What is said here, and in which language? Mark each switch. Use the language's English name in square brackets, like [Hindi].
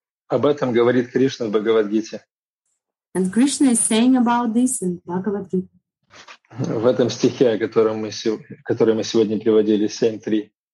[Russian] Об этом говорит Кришна в Бхагавад-гите. [English] And Krishna is saying about this in Bhagavad Gita. [Russian] В этом стихе, который мы сегодня приводили, 7.3.